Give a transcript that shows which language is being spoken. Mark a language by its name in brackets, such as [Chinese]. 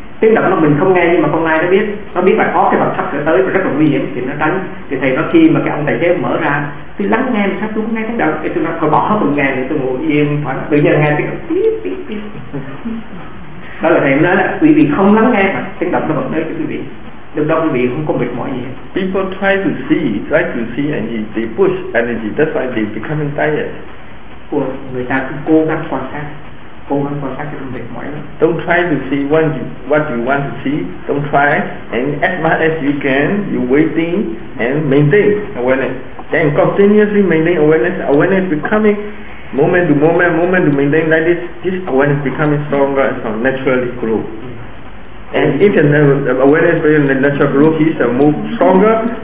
[Vietnamese] Tiếng động nó mình không nghe nhưng mà con nai nó biết là có cái vật sắp tới và rất là nguy hiểm thì nó tránh. Thì thầy nói khi mà cái ông tài xế mở ra thì lắng nghe mình sắp xuống nghe tiếng động thì tôi nói thôi bỏ hết mình nghe thì tôi ngồi yên phải tự nhiên nghe tiếng pip pip pip. Đó là thầy nói là quý vị không lắng nghe mà tiếng động nó vẫn tới cho quý vị. Lúc đó quý vị không có mệt mỏi gì. [English] People try to see and they push energy, that's why they become tired. [Vietnamese] Của người ta cũng cố gắng quan sát. [English] Don't try to see what you want to see. Don't try, and as much as you can, you waiting and maintain awareness. Then continuously maintain awareness. Awareness becoming moment to maintain like this. This awareness becoming stronger and so naturally grow. And if the awareness very natural grow, he is a move stronger.